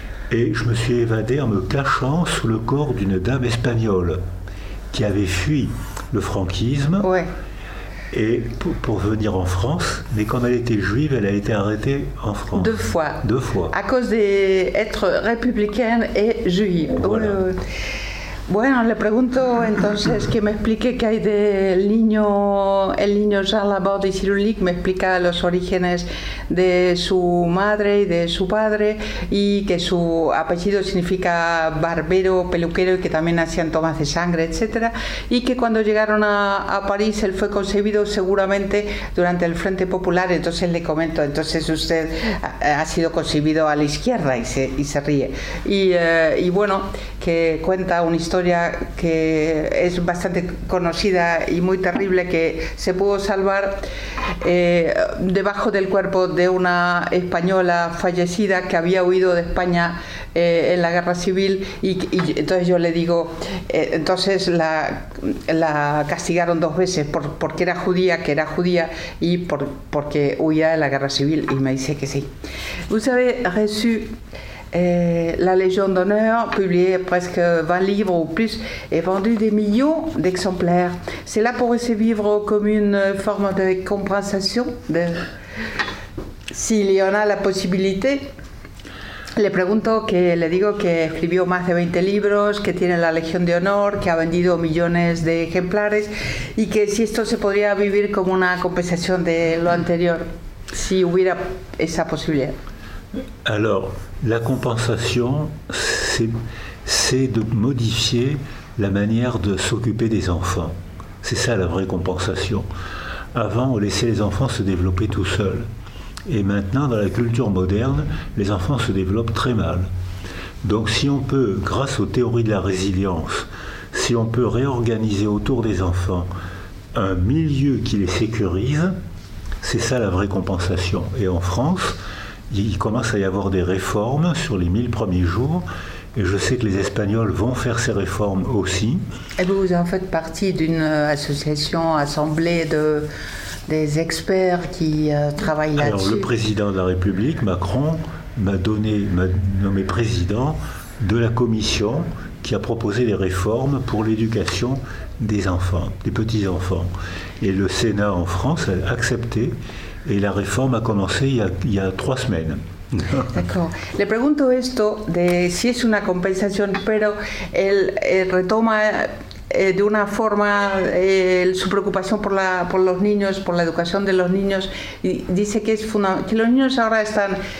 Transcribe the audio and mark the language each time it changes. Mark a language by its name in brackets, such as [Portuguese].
[French] Et je me suis évadé en me cachant sous le corps d'une dame espagnole qui avait fui le franquisme, ouais, et pour venir en France. Mais comme elle était juive, elle a été arrêtée en France. Deux fois. À cause d'être républicaine et juive. Voilà. [Spanish] Bueno, le pregunto entonces que me explique qué hay del niño, el niño Jean Laborde y Cyrulnik, me explica los orígenes de su madre y de su padre, y que su apellido significa barbero, peluquero, y que también hacían tomas de sangre, etc. Y que cuando llegaron a París, él fue concebido seguramente durante el Frente Popular. Entonces le comento, entonces usted ha sido concebido a la izquierda, y se ríe. Y bueno, que cuenta una historia que es bastante conocida y muy terrible, que se pudo salvar debajo del cuerpo de una española fallecida que había huido de España en la guerra civil, y entonces yo le digo, entonces la castigaron dos veces porque era judía, que era judía, y porque huía de la guerra civil, y me dice que sí. [French] Vous avez reçu la Légion d'honneur, publié presque 20 livres ou plus, et vendu des millions d'exemplaires. C'est là pour essayer de vivre comme une forme de compensation, s'il y en a la possibilité. [Spanish] Le pregunto, que le digo que escribió más de 20 libros, que tiene la Legión de Honor, que ha vendido millones de ejemplares, y que si esto se podría vivir como una compensación de lo anterior, si hubiera esa posibilidad. [French] Alors, la compensation, c'est de modifier la manière de s'occuper des enfants. C'est ça la vraie compensation. Avant, on laissait les enfants se développer tout seuls. Et maintenant, dans la culture moderne, les enfants se développent très mal. Donc si on peut, grâce aux théories de la résilience, si on peut réorganiser autour des enfants un milieu qui les sécurise, c'est ça la vraie compensation. Et en France, il commence à y avoir des réformes sur les 1000 premiers jours, et je sais que les Espagnols vont faire ces réformes aussi. Et vous en faites partie d'une association, assemblée des experts qui travaillent là-dessus. Alors le président de la République, Macron, m'a nommé président de la commission qui a proposé des réformes pour l'éducation des enfants, des petits-enfants. Et le Sénat en France a accepté. [Spanish] Y la reforma ha comenzado ya 3 semanas. [French] D'accord. [Spanish] Le pregunto esto de si es una compensación, pero él retoma de una forma su preocupación por los niños, por la educación de los niños, y dice que es fundamental, que los niños ahora están